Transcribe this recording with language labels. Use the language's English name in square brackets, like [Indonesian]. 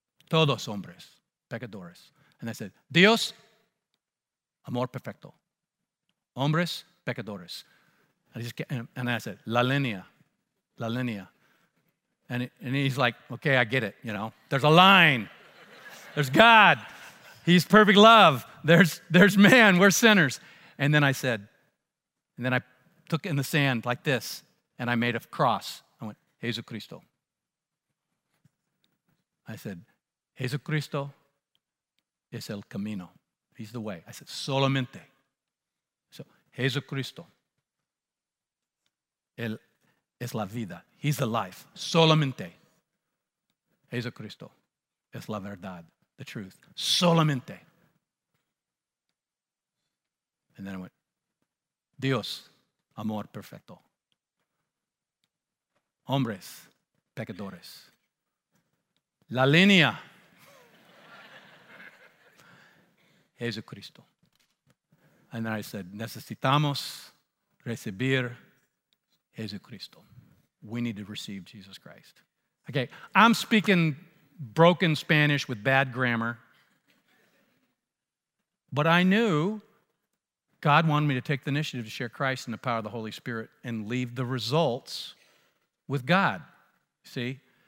[Spanish] Todos hombres pecadores. [English] And I said, [Spanish] Dios, amor perfecto. Hombres pecadores. [English] And I said, [Spanish] la línea, la línea. [English] And he's like, okay, I get it, you know. There's a line. There's God. He's perfect love. There's man. We're sinners. And then I said, and then I took it in the sand like this, and I made a cross. I went, Jesucristo. I said, [Spanish] Jesucristo es el camino. [English] He's the way. I said, solamente. [Spanish] So, Jesucristo es la vida. [English] He's the life. [Spanish] Solamente. Jesucristo es la verdad. [English] The truth. Solamente. And then I went, [Spanish] Dios, amor perfecto. Hombres, pecadores. La línea. Jesucristo. [English] And then I said, [Spanish] necesitamos recibir Jesucristo. [English] We need to receive Jesus Christ. Okay, I'm speaking broken Spanish with bad grammar. But I knew God wanted me to take the initiative to share Christ and the power of the Holy Spirit and leave the results with God. See?